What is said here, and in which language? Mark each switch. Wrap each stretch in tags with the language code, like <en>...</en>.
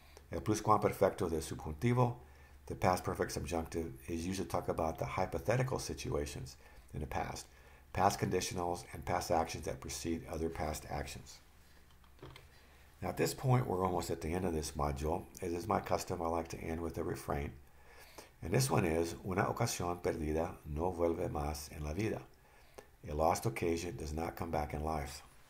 <en>El pluscuamperfecto del subjuntivo, the past perfect subjunctive, is used to talk about the hypothetical situations in the past, past conditionals, and past actions that precede other past actions. Now, at this point, we're almost at the end of this module. As is my custom, I like to end with a refrain. And this one is,</en> <es>una ocasión perdida no vuelve más en la vida.</es> <en>A lost occasion does not come back in life.</en>